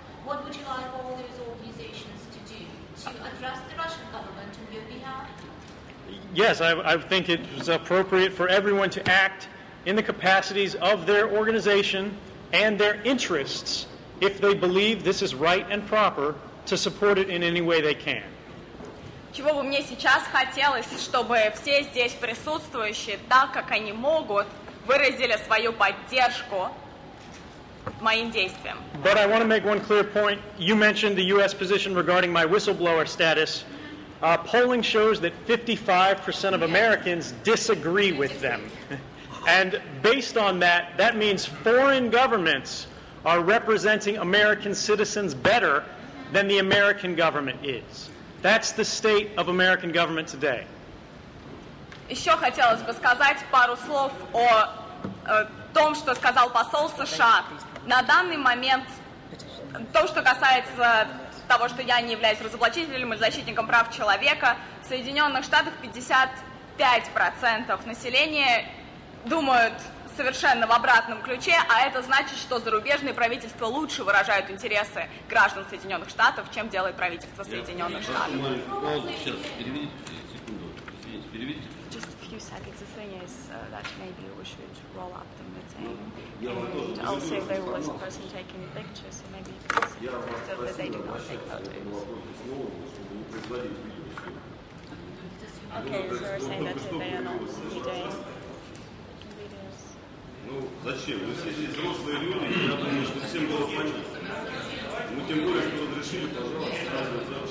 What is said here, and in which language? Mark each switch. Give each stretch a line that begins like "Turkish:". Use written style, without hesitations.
English: What would you like all those organizations to do? To address the Russian government on your behalf? Yes, I think it was appropriate for everyone to act in the capacities of their organization and their interests if they believe this is right and proper, to support it in any way they can.
Russian: Чего бы мне сейчас хотелось, чтобы все здесь присутствующие, так как они могут, выразили свою поддержку моим действиям.
English: But I want to make one clear point. You mentioned the U.S. position regarding my whistleblower status. Polling shows that 55% of Americans disagree with them. And based on that, that means foreign governments are representing American citizens better than the American government is. That's the state of American government today.
Russian: Еще хотелось бы сказать пару слов о том, что сказал посол США. На данный момент, то, что касается того, что я не являюсь разоблачителем или защитником прав человека, в Соединенных Штатах 55% населения думают совершенно в обратном ключе, а это значит, что зарубежные правительства лучше выражают интересы граждан Соединенных Штатов, чем делает правительство Соединенных Штатов. Сейчас, переведите.
English: Seconds. The thing is that maybe we should roll up the meeting. And also, there was a person taking a picture, so maybe you can see still that they did not take photos. Okay, so we're saying that they are not meeting.
Russian: Ну, зачем? Мы все здесь взрослые люди, я думаю, что всем было понятно. Мы тем более, что разрешили,